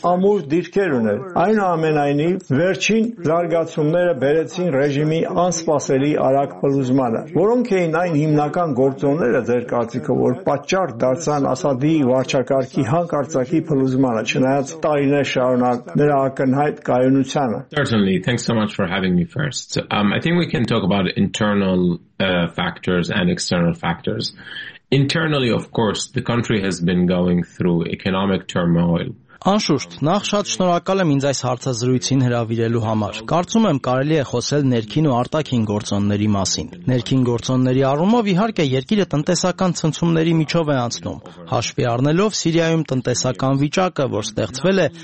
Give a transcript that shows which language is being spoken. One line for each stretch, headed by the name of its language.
Armenian: ամուր դիրքեր ուներ։ Այնուամենայնիվ, վերջին զարգացումները բերեցին ռեժիմի անսպասելի արագ փլուզմանը։ Որոնք էին այն հիմնական գործոնները, ձեր կարծիքով, որ պատճառ դարձան Ասադի վարչակարգի հանկարծակի փլուզմանը, չնայած տարիներ շարունակ նրա ակնհայտ կայունությանը։
English: For having me first. I think we can talk about internal factors and external factors. Internally, of course, the country has been going through economic turmoil.
Armenian: Անշուշտ, նախ շատ շնորհակալ եմ ինձ այս հարցազրույցին հրավիրելու համար։ Կարծում եմ, կարելի է խոսել ներքին ու արտաքին գործոնների մասին։ Ներքին գործոնների առումով, իհարկե, երկիրը տնտեսական ցնցումների միջով է անցնում, հաշվի առնելով Սիրիայում տնտեսական վիճակը, որ ստեղծվել է